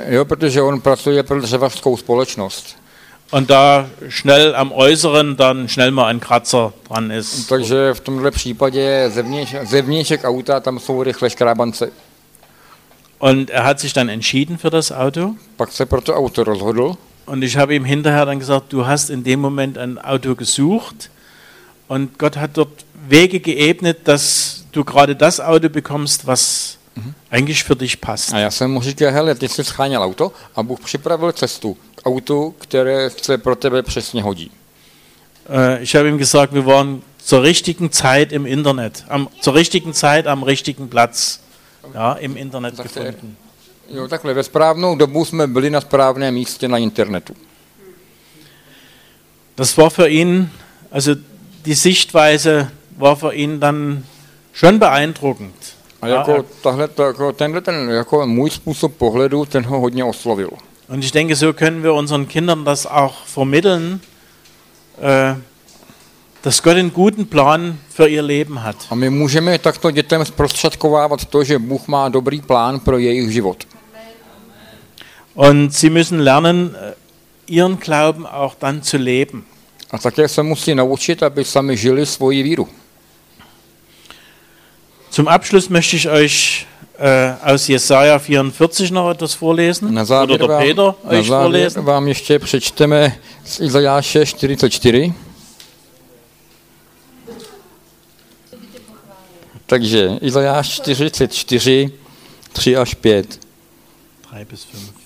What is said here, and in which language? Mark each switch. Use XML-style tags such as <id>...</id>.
<cs>Jo, protože on pracuje pro dřevařskou společnost.</cs> <de>Und da schnell am Äußeren dann schnell mal ein Kratzer dran ist.</de> <cs>Takže v tomhle případě zevnějšek auta, tam jsou rychle škrábance.</cs> <de>Und er hat sich dann entschieden für das Auto.</de> <cs>Pak se pro to auto rozhodl.</cs> <de>Und ich habe ihm hinterher dann gesagt, du hast in dem Moment ein Auto gesucht. Und Gott hat dort Wege geebnet, dass du gerade das Auto bekommst, was eigentlich für dich passt.</de> <cs>A já jsem mu říkal, hele, ty jsi scháněl auto a Bůh připravil cestu k autu, které se pro tebe přesně hodí.</cs> <de>Ich habe ihm gesagt, wir waren zur richtigen Zeit im Internet, zur richtigen Zeit am richtigen Platz, ja, im Internet gefunden.</de> <cs>Jo, takhle, ve správnou dobu jsme byli na správném místě na internetu.</cs> <de>Das war für ihn, also die Sichtweise war für ihn dann schon beeindruckend.</de> <cs>A jako tahle, jako tenhle ten jako můj způsob pohledu, ten ho hodně oslovil.</cs> <de>Und ich denke, so können wir unseren Kindern das auch vermitteln, dass Gott einen guten Plan für ihr Leben hat.</de> <cs>A my můžeme takto dětem zprostředkovávat to, že Bůh má dobrý plán pro jejich život.</cs> <de>Und sie müssen lernen, ihren Glauben auch dann zu leben.</de> <cs>A také se musí naučit, aby sami žili svoji víru.</cs> <de>Zum Abschluss möchte ich euch aus Jesaja 44 noch etwas vorlesen.</de> <cs>Na závěr</cs> <de>oder</de> <cs>vám, Peter na euch závěr vorlesen. Vám ještě přečteme z Izajáše 44. Takže Izajáš 44, 3 až 5.</cs> <de>3 bis 5.</de>